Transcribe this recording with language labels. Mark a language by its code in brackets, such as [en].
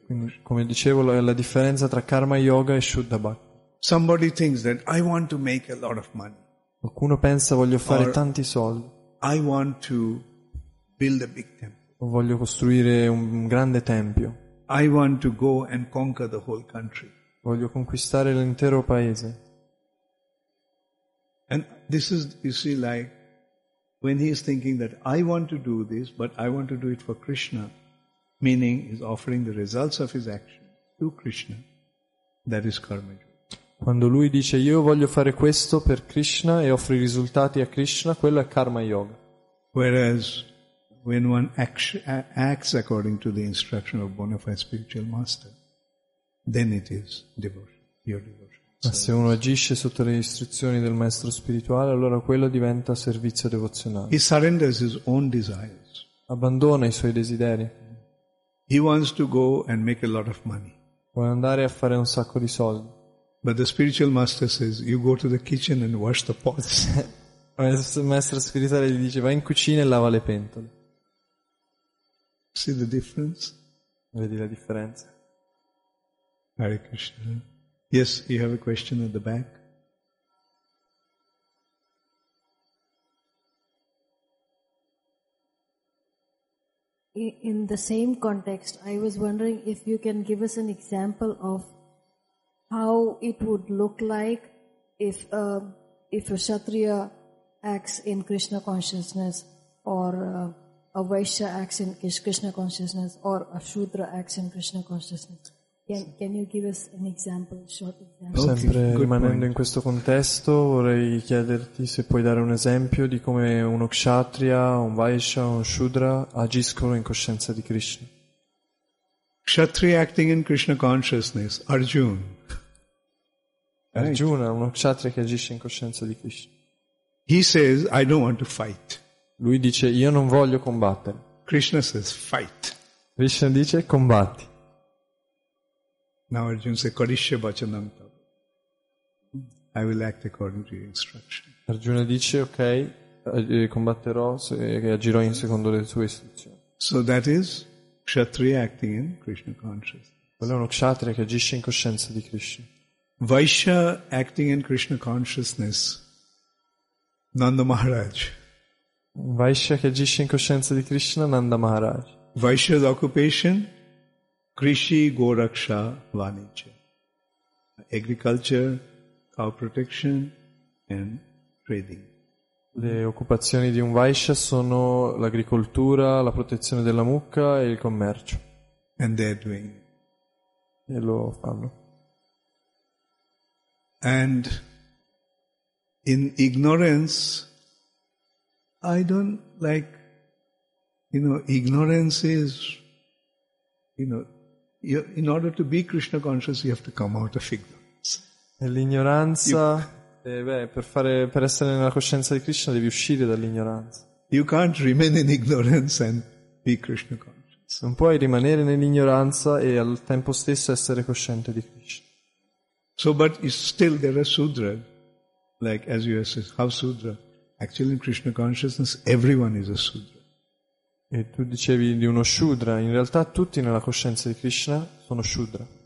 [it] Quindi, come dicevo, è la differenza tra karma yoga e shuddha bhakti. [en] Somebody thinks that I want to make a lot of money. [it] Qualcuno pensa voglio fare tanti soldi. [en] I want to build a big temple. [it] O voglio costruire un grande tempio. [en] I want to go and conquer the whole country. [it] Voglio conquistare l'intero paese. [en] And this is, you see, like when he is thinking that I want to do this, but I want to do it for Krishna, meaning he's offering the results of his action to Krishna, that is karma. [it] Quando lui dice io voglio fare questo per Krishna e offro i risultati a Krishna, quello è karma yoga. [en] Whereas when one acts according to the instruction of bona fide spiritual master, then it is devotion, pure devotion. [it] Ma se uno agisce sotto le istruzioni del maestro spirituale, allora quello diventa servizio devozionale. [en] He surrenders his own desires. [it] Abbandona i suoi desideri. [en] He wants to go and make a lot of money. [it] Vuole andare a fare un sacco di soldi. [en] But the spiritual master says, "You go to the kitchen and wash the pots." [it] Il maestro spirituale gli dice: "Vai in cucina e lava le pentole." [en] See the difference? [it] Vedi la differenza? [en] Hare Krishna. Yes, you have a question at the back. In the same context, I was wondering if you can give us an example of how it would look like if a Kshatriya acts in Krishna consciousness, or a Vaishya acts in Krishna consciousness, or a Shudra acts in Krishna consciousness. Can you give us an example, short example? Okay. [it] Sempre good rimanendo point. In questo contesto, vorrei chiederti se puoi dare un esempio di come uno Kshatriya, un Vaishya, un Shudra agiscono in coscienza di Krishna. [en] Kshatriya acting in Krishna consciousness, Arjuna. [it] Arjuna, uno Kshatriya che agisce in coscienza di Krishna. [en] He says, "I don't want to fight." [it] Lui dice, io non voglio combattere. [en] Krishna says, "Fight." [it] Krishna dice, combatti. [en] Now Arjuna says, [sa] "Kadishya bachanam tab. [en] I will act according to your instruction." [it] Arjuna dice, ok, combatterò e agirò in secondo le tue istruzioni. [en] So that is Kshatriya acting in Krishna consciousness. [it] Quello è uno Kshatriya che agisce in coscienza di Krishna. [en] Vaishya acting in Krishna consciousness. Nanda Maharaj. [it] Vaishya che agisce in coscienza di Krishna, Nanda Maharaj. [en] Vaishya's occupation, Krishi, Goraksha, Vanijya. Agriculture, cow protection and trading. [it] Le occupazioni di un Vaishya sono l'agricoltura, la protezione della mucca e il commercio. [en] And they're doing. [it] E lo fanno. [en] And in ignorance, I don't like, you know, ignorance is, you know, in order to be Krishna conscious, you have to come out of ignorance. [it] Nell'ignoranza, per essere nella coscienza di Krishna, devi uscire dall'ignoranza. [en] You can't remain in ignorance and be Krishna conscious. [it] Non puoi rimanere nell'ignoranza e al tempo stesso essere cosciente di Krishna. [en] So, but still there are sudras. Like as you said, how sudra? Actually, in Krishna consciousness, everyone is a sudra. [it] E tu dicevi di uno shudra. In realtà, tutti nella coscienza di Krishna sono shudra.